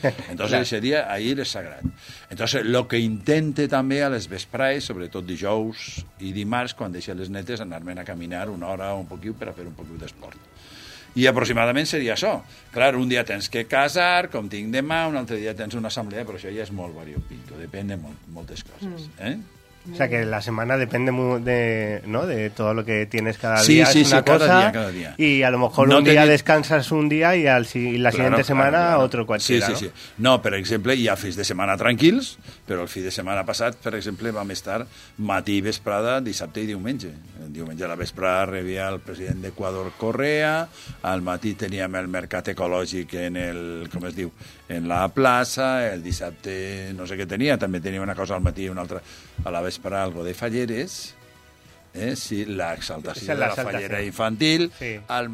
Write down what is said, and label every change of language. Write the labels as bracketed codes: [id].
[ca] Entonces eixe dia ahir és sagrat. Entonces lo que intente també a les vespres, sobretot dijous i dimarts, quan deixen les netes, anar-me'n a caminar una hora o un poquiu per a fer un poquiu d'esport. I aproximadament seria això. Clar, un dia tens que casar, com tinc demà, un altre dia tens una assemblea, però això ja és molt variopinto, depèn de moltes coses. [es] O sea que la semana depende de, ¿no? De todo lo que tienes cada día. Sí, sí, es una sí, cosa, cada día. Y a lo mejor no un día descansas un día y la siguiente semana. Otro cualquiera. Sí, sí, ¿no? Sí. [ca] No, per exemple, hi ha fins de setmana tranquils, però el fi de setmana passat, per exemple, vam estar matí i vesprada, dissabte i diumenge. El diumenge a la vesprada rebia el president d'Equador Correa, al matí teníem el mercat ecològic en el, com es diu, en la plaça, el dissabte no sé què tenia, també tenia una cosa al matí i una altra a la vesprà, algo de Falleres, sí, l'exaltació de la fallera infantil, al sí.